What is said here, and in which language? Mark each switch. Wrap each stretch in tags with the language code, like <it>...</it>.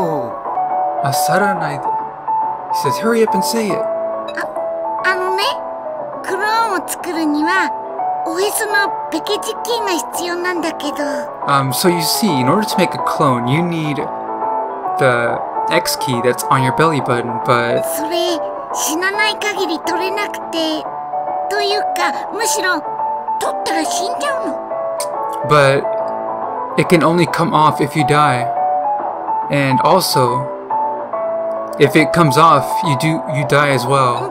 <ja>もうじらさないで早く言っておくれよ。焦らないで。</ja> <en>He says, hurry up and say it. So you see, in order to make a clone, you need the X key that's on your belly button, but...</en> <ja>それ死なない限り取れなくて、というかむしろ取ったら死んじゃうの。</ja> <en>But it can only come off if you die. And also, if it comes off, you die as well.</en>